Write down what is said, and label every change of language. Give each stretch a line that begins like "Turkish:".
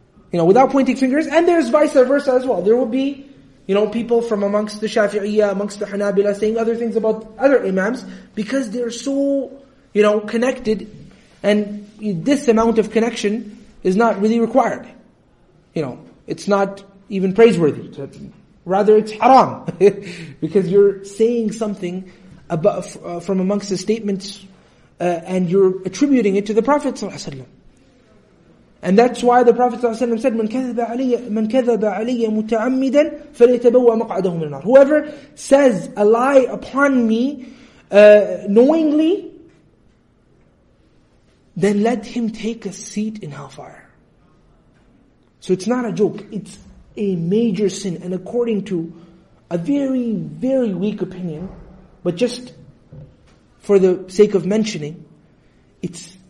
English: You know, without pointing fingers, and there's vice versa as well. There will be, you know, people from amongst the Shafi'iyya, amongst the Hanabila, saying other things about other imams, because they're so, you know, connected, and this amount of connection is not really required. You know, it's not even praiseworthy. Rather, it's haram. Because you're saying something about, from amongst the statements, and you're attributing it to the Prophet ﷺ. And that's why the Prophet ﷺ said,
Arabic: "من كذب علي متعمدا فليتبوأ مقعده من النار."
English: Whoever says a lie upon me knowingly, then let him take a seat in hellfire. So it's not a joke; it's a major sin. And according to a very, very weak opinion, but just for the sake of mentioning, it's.